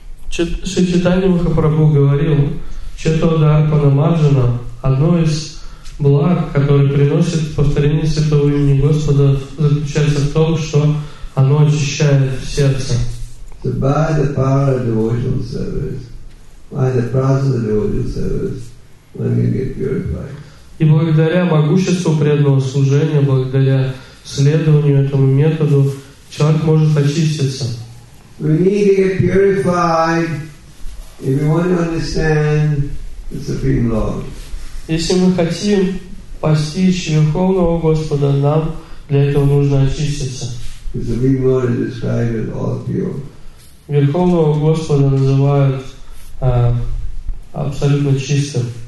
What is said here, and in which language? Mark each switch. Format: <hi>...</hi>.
<ru>Шри Чайтанья Махапрабху говорил, Четодарпана Марджана, одно из благ, которое приносит повторение святого имени Господа, заключается в том, что оно очищает сердце.</ru> <en>So by the power of devotional service, by the process of devotional service, one can get purified.</en> <ru>И благодаря могуществу преданного служения, благодаря следованию этому методу, человек может очиститься.</ru> <en>We need to get purified if we want to understand the Supreme Lord.</en> <ru>Если мы хотим постичь Верховного Господа, нам для этого нужно очиститься.</ru> <en>The Supreme Lord is described as all pure.</en> <ru>Верховного Господа называют абсолютно чистым.</ru>